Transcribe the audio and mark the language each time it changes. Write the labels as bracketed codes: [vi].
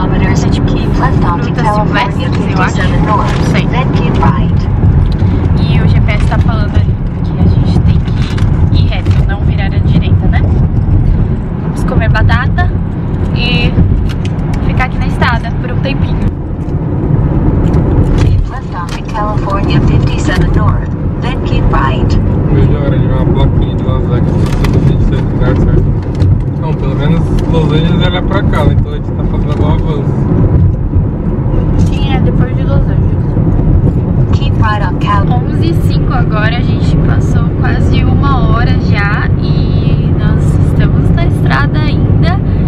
[pt] Essa é tipo frutas silvestres, eu acho. Não sei. E o GPS tá falando ali que a gente tem que ir reto, não virar à direita, né? Vamos comer batata e ficar aqui na estrada por um tempinho. [en] California 57 North, then keep right. [pt] Melhor ali uma bloquinha de Las Vegas pra todo mundo sair do lugar certo. Não, pelo menos Los Angeles olha pra cá, né? Então a gente tá fazendo um avanço. Sim, é depois de Los Angeles. [en] Keep right on Cal. [pt] 11h05 agora, a gente passou quase uma hora já e nós estamos na estrada ainda.